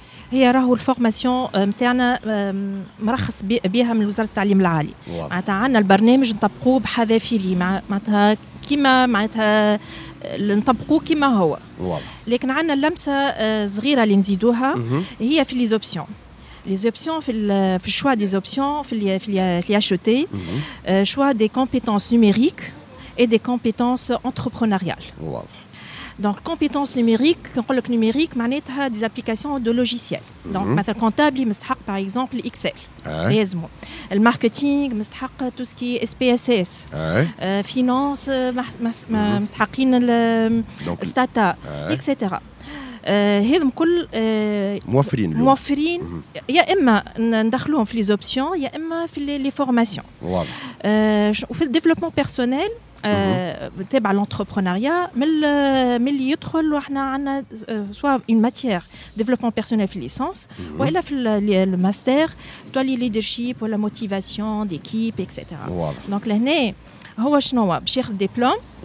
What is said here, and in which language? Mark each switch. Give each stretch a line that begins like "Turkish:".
Arabic: هي راهو الفورماسيون نتاعنا مرخص بها من وزاره التعليم العالي معناتها عندنا البرنامج نطبقوه بحذافيري معناتها كيما معناتها نطبقوه كيما هو لكن عندنا اللمسه صغيره اللي نزيدوها هي في لي زوبسيون
French: les options
Arabic: في
French: choix des options
Arabic: في HET
French: choix des compétences numériques et des compétences entrepreneuriales. Donc compétences numériques, quand on parle numérique,
Arabic: معناتها
French: des applications de logiciels. Donc
Arabic: مثلا
French: comptable
Arabic: مستحق
French: par exemple Excel.
Arabic: لازمو.
French: Le marketing
Arabic: مستحق
French: tout ce qui est SPSS. Finance
Arabic: مستحقين
French: Stata etc.
Arabic: هذم كل موفرين اليوم. موفرين يا إما ندخلوهم في الزوبسيون يا إما في الفورماسيون وفي الديفلوبمون بيرسونيل تابع الانتربرونيا من اللي يدخل وإحنا عنا سواء إن ماتير ديفلوبمون بيرسونيل في الليسانس وإلا في الماستر تولي ليدرشيب ولا موتيفاسيون ديكيب اكسترا دونك لهنا هو شنو باش ياخذ ديبلوم